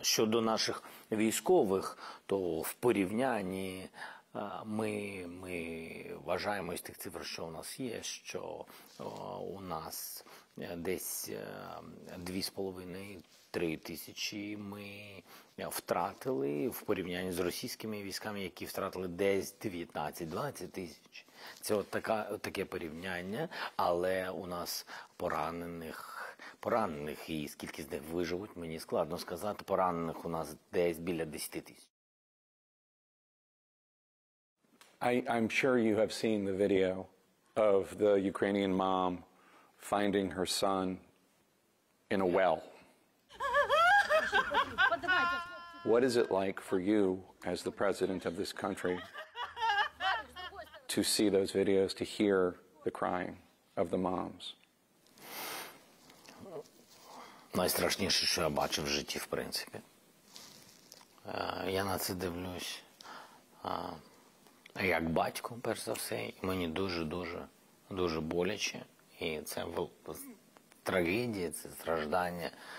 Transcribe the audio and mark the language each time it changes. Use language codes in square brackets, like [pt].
[uk] Щодо наших військових, то в порівнянні ми вважаємо з тих цифр, що у нас є, що у нас десь 2,5-3 тисячі ми втратили в порівнянні з російськими військами, які втратили десь 19-20 тисяч. Це от таке порівняння, але у нас поранених, і скільки з них виживуть, мені складно сказати, поранених у нас десь біля 10 тисяч. [en] I'm sure you have seen the video of the Ukrainian mom finding her son in a well. What is it like for you, as the president of this country, to see those videos, to hear the crying of the moms? [uk] Найстрашніше, що я бачив в житті, в принципі. Я на це дивлюсь як батько, перш за все. Мені дуже-дуже боляче. І це трагедія, це страждання.